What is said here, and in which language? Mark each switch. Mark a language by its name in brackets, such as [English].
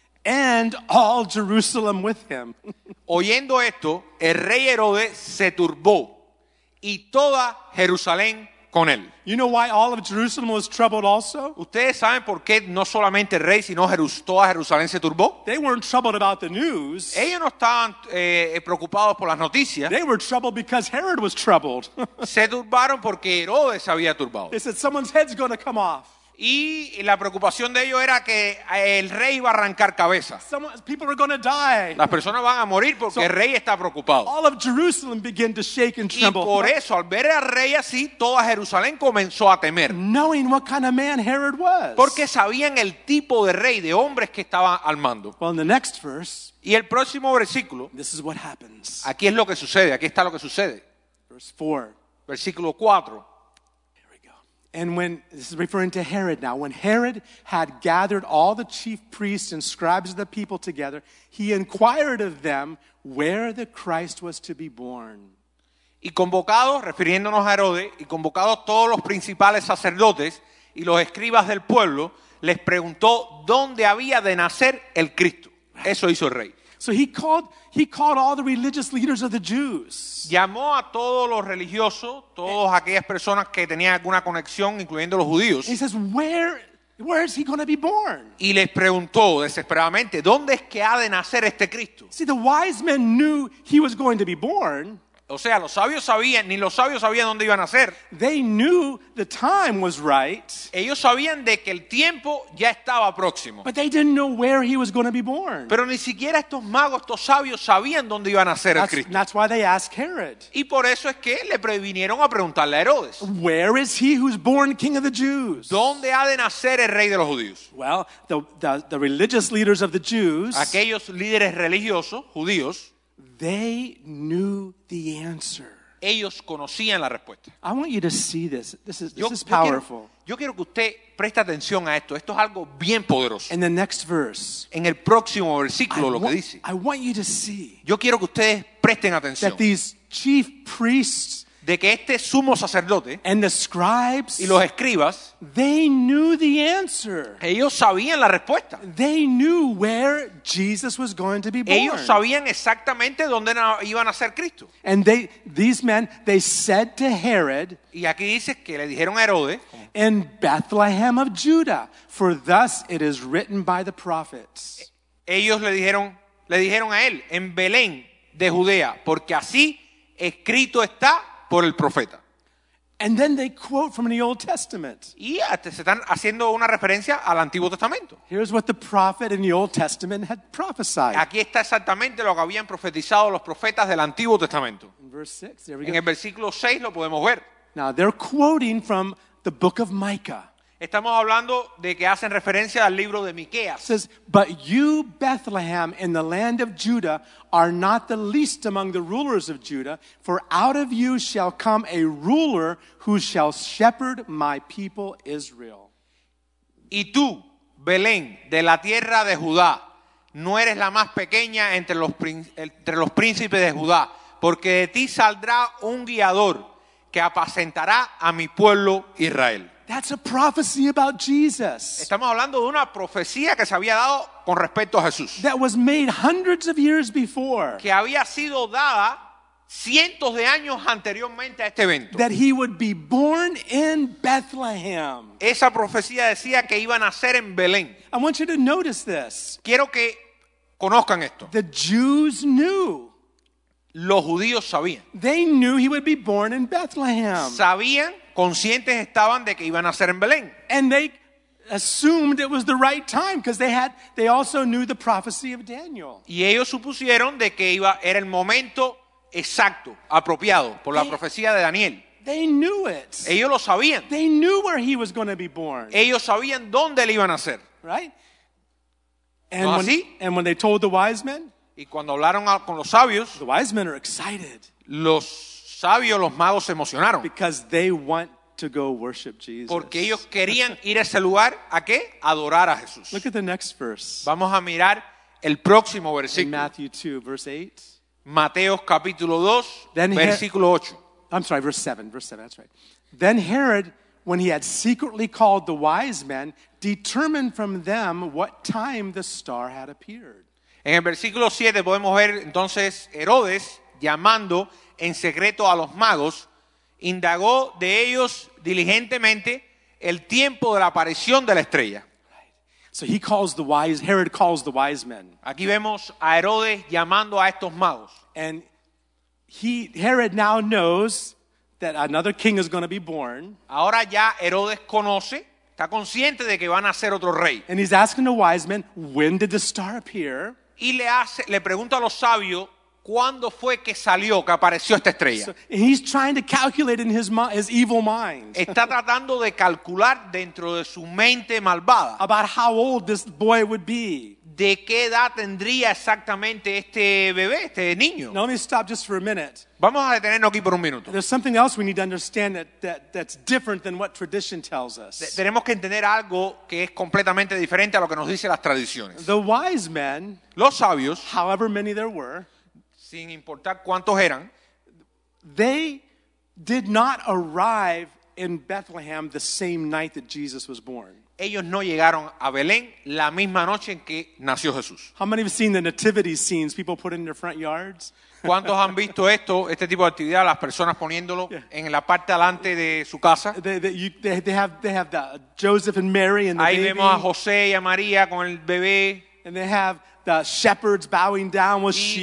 [English] And all Jerusalem with him. [Spanish] Oyendo esto, el rey Herodes se turbó, y toda Jerusalén con él. [English] You know why all of Jerusalem was troubled also? [Spanish] ¿Ustedes saben por qué no solamente el rey, sino toda Jerusalén se turbó? [English] They weren't troubled about the news. [Spanish] Ellos no estaban preocupados por las noticias. [English] They were troubled because Herod was troubled. [Spanish] Se turbaron porque Herodes se había turbado. [English] They said, someone's head's going to come off. [Spanish] Y la preocupación de ellos era que el rey iba a arrancar cabeza. Las personas van a morir porque el rey está preocupado. [English] All of Jerusalem began to shake and tremble. [Spanish] Y por eso, al ver al rey así, toda Jerusalén comenzó a temer. [English] Knowing what kind of man Herod was. [Spanish] Porque sabían el tipo de rey, de hombres que estaba al mando. [English] Well, in the next verse, [Spanish] y el próximo versículo, [English] this is what happens. [Spanish] Aquí es lo que sucede, aquí está lo que sucede. [English] Verse 4. [Spanish] Versículo 4. [English] And when, this is referring to Herod now, when Herod had gathered all the chief priests and scribes of the people together, he inquired of them where the Christ was to be born. [Spanish] Y convocados, refiriéndonos a Herodes, y convocados todos los principales sacerdotes y los escribas del pueblo, les preguntó dónde había de nacer el Cristo. Eso hizo el rey. [English] So he called all the religious leaders of the Jews. [Spanish] Llamó a todos los religiosos, todas aquellas personas que tenían alguna conexión, incluyendo los judíos. [English] He says, Where is he going to be born? [Spanish] Y les preguntó desesperadamente, ¿dónde es que ha de nacer este Cristo? [English] See, the wise men knew he was going to be born. [Spanish] O sea, los sabios sabían, ni los sabios sabían dónde iba a nacer. [English] They knew the time was right. [Spanish] Ellos sabían de que el tiempo ya estaba próximo. [English] But they didn't know where he was going to be born. [Spanish] Pero ni siquiera estos magos, estos sabios sabían dónde iba a nacer el Cristo. [English] That's why they asked Herod. [Spanish] Y por eso es que le previnieron a preguntarle a Herodes. [English] Where is he who's born king of the Jews? [Spanish] ¿Dónde ha de nacer el rey de los judíos? [English] Well, the religious leaders of the Jews. [Spanish] Aquellos líderes religiosos judíos. [English] They knew the answer. [Spanish] Ellos conocían la respuesta. [English] I want you to see this. This is powerful. [Spanish] Yo quiero que usted preste atención a esto. Esto es algo bien poderoso. [English] In the next verse. [Spanish] En el próximo versículo lo que dice. [English] I want you to see. [Spanish] Yo quiero que ustedes presten atención. [English] That these chief priests. [Spanish] De que este sumo sacerdote. [English] And the scribes. [Spanish] Y los escribas. [English] They knew the answer. [Spanish] Ellos sabían la respuesta. [English] They knew where Jesus was going to be born. [Spanish] Ellos sabían exactamente dónde iban a ser Cristo. [English] And these men said to Herod. [Spanish] Y aquí dice que le dijeron a Herodes. [English] In Bethlehem of Judah. For thus it is written by the prophets. [Spanish] Ellos le dijeron a él. En Belén de Judea. Porque así escrito está. Por el profeta. [English] And then they quote from the Old Testament. [Spanish] Y se están haciendo una referencia al Antiguo Testamento. [English] Here's what the prophet in the Old Testament had prophesied. [Spanish] Aquí está exactamente lo que habían profetizado los profetas del Antiguo Testamento. [English] In verse 6, there we go. [Spanish] En el versículo 6 lo podemos ver. [English] Now they're quoting from the book of Micah. [Spanish] Estamos hablando de que hacen referencia al libro de Miqueas. [English] Says, but you, Bethlehem, in the land of Judah, are not the least among the rulers of Judah, for out of you shall come a ruler who shall shepherd my people Israel. [Spanish] Y tú, Belén, de la tierra de Judá, no eres la más pequeña entre los príncipes de Judá, porque de ti saldrá un guiador que apacentará a mi pueblo Israel. [English] That's a prophecy about Jesus. [Spanish] Estamos hablando de una profecía que se había dado con respecto a Jesús. [English] That was made hundreds of years before. [Spanish] Que había sido dada cientos de años anteriormente a este evento. [English] That he would be born in Bethlehem. [Spanish] Esa profecía decía que iba a nacer en Belén. [English] I want you to notice this. [Spanish] Quiero que conozcan esto. [English] The Jews knew. [Spanish] Los judíos sabían. [English] They knew he would be born in Bethlehem. [Spanish] Sabían. Conscientes estaban de que iban a ser en Belén. [English] And they assumed it was the right time because they also knew the prophecy of Daniel. [Spanish] Y ellos supusieron de que era el momento exacto, apropiado por la profecía de Daniel. [English] They knew it. [Spanish] Ellos lo sabían. [English] They knew where he was going to be born. [Spanish] Ellos sabían dónde él iba a nacer. [English] Right? And when, [Spanish] así? [English] And when they told the wise men, [Spanish] y cuando hablaron con los sabios, [English] the wise men are excited. [Spanish] Los sabios, los magos se emocionaron. [English] Because they want to go worship Jesus. [Spanish] Porque ellos querían ir a ese lugar, ¿a qué? Adorar a Jesús. [English] Look at the next verse. [Spanish] Vamos a mirar el próximo versículo. [English] In Matthew 2, verse 8. [Spanish] Mateo capítulo 2, then versículo 8. [English] I'm sorry, verse 7, that's right. Then Herod, when he had secretly called the wise men, determined from them what time the star had appeared. [Spanish] En el versículo 7 podemos ver entonces Herodes llamando en secreto a los magos, indagó de ellos diligentemente el tiempo de la aparición de la estrella. [English] So he calls the wise, Herod calls the wise men. [Spanish] Aquí vemos a Herodes llamando a estos magos. [English] And Herod now knows that another king is going to be born. [Spanish] Ahora ya Herodes conoce, está consciente de que van a ser otro rey. [English] And he's asking the wise men, when did the star appear? [Spanish] Y le pregunta a los sabios, ¿cuándo fue que salió, que apareció esta estrella? [English] So, he's trying to calculate in his evil mind. [Spanish] Está tratando de calcular dentro de su mente malvada. [English] About how old this boy would be. [Spanish] ¿De qué edad tendría exactamente este bebé, este niño? [English] Now, let me stop just for a minute. [Spanish] Vamos a detenernos aquí por un minuto. [English] There's something else we need to understand that's different than what tradition tells us. [Spanish] Tenemos que entender algo que es completamente diferente a lo que nos dicen las tradiciones. [English] The wise men, [Spanish] los sabios, [English] however many there were, [Spanish] sin importar cuántos eran, [English] they did not arrive in Bethlehem the same night that Jesus was born. [Spanish] ellos no llegaron a Belén la misma noche en que nació Jesús. [English] How many have seen the nativity scenes people put in their front yards? [Spanish] ¿Cuántos han visto esto, este tipo de actividad, las personas poniéndolo en la parte delante de su casa? [English] They have the Joseph and Mary and the [Spanish] Ahí [English] baby. [Spanish] Ahí vemos a José y a María con el bebé. [English] And they have the shepherds bowing down with sheep.